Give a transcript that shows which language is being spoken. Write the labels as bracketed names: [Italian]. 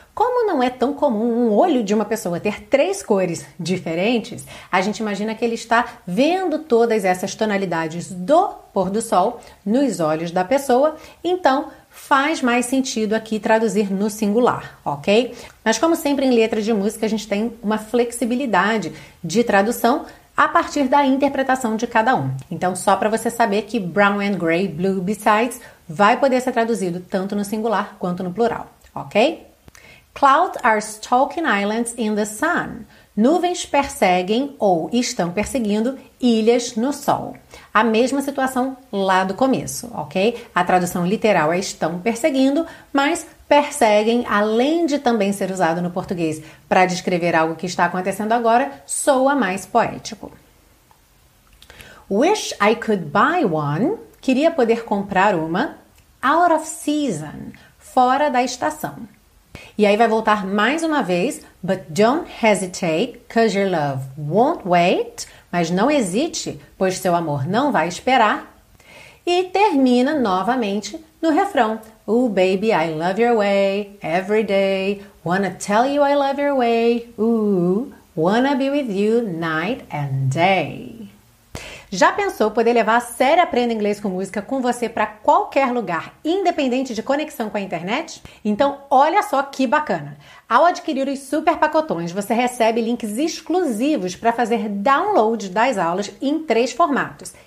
[Portuguese] Como não é tão comum um olho de uma pessoa ter três cores diferentes, a gente imagina que ele está vendo todas essas tonalidades do pôr do sol nos olhos da pessoa, então faz mais sentido aqui traduzir no singular, ok? Mas como sempre em letra de música, a gente tem uma flexibilidade de tradução a partir da interpretação de cada um. Então, só para você saber que [English] brown and gray, blue besides, [Portuguese] vai poder ser traduzido tanto no singular quanto no plural, ok? [English] Clouds are stalking islands in the sun. [Portuguese] Nuvens perseguem ou estão perseguindo ilhas no sol. A mesma situação lá do começo, ok? A tradução literal é estão perseguindo, mas perseguem, além de também ser usado no português para descrever algo que está acontecendo agora, soa mais poético. [English] Wish I could buy one. [Portuguese] Queria poder comprar uma. [English] Out of season. [Portuguese] Fora da estação. E aí vai voltar mais uma vez, [English] but don't hesitate, because your love won't wait, [Portuguese] mas não hesite, pois seu amor não vai esperar. E termina novamente no refrão, [English] ooh baby, I love your way, every day, wanna tell you I love your way, ooh, wanna be with you night and day. [Portuguese] Já pensou poder levar a série Aprenda Inglês com Música com você para qualquer lugar, independente de conexão com a internet? Então, olha só que bacana! Ao adquirir os super pacotões, você recebe links exclusivos para fazer download das aulas em três formatos.